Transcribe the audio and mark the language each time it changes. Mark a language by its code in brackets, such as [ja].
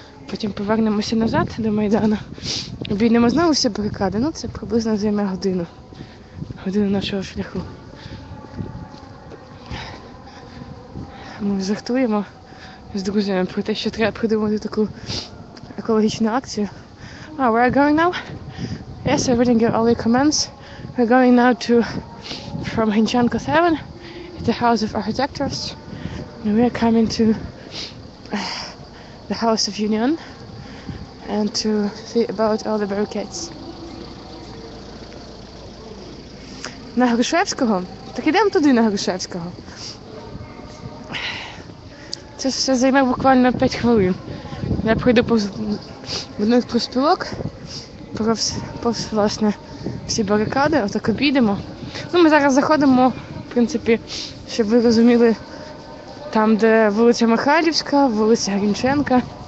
[uk] Потім повернемося назад до Майдану, обійдемо знову всі барикади. Ну, це приблизно займе годину. Годину нашого шляху. Ми жартуємо з друзями про те, що треба придумати таку екологічну акцію. [en] А, where are we going now? Yes, everything got all your comments. We're going now to from Grinchenko 7, the House of Architectors. And we are coming to the House of Union and to see about all the barricades. [uk] На Грушевського? Так ідемо туди, на Грушевського. Це все займе буквально 5 хвилин. Я пройду повз будинок проспілок, повз власне. Всі барикади, отак обійдемо. Ну, ми зараз заходимо, в принципі, щоб ви розуміли, там, де вулиця Михайлівська, вулиця Грінченка.